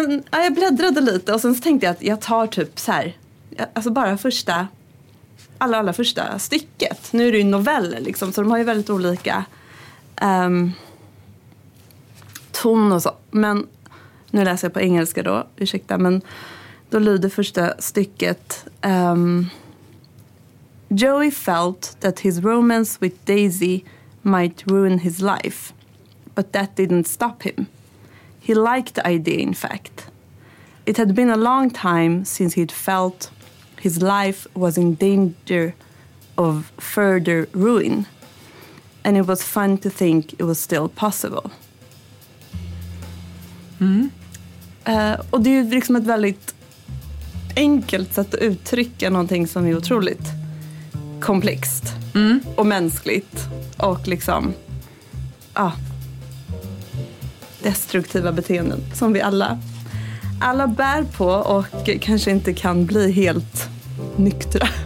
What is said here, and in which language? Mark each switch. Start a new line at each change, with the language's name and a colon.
Swedish: Jag bläddrade lite och sen så tänkte jag att jag tar typ så här, alltså bara första, allra första stycket. Nu är det ju noveller liksom, så de har ju väldigt olika ton och så. Men nu läser jag på engelska då, ursäkta, men då lyder första stycket.
English: Joey felt that his romance with Daisy might ruin his life, but that didn't stop him. He liked the idea, in fact. It had been a long time since he'd felt his life was in danger of further ruin, and it was fun to think it was still possible.
Swedish: Och det är liksom ett väldigt enkelt sätt att uttrycka någonting som är otroligt komplext och mänskligt. Och liksom, ja, destruktiva beteenden som vi alla bär på och kanske inte kan bli helt nyktra.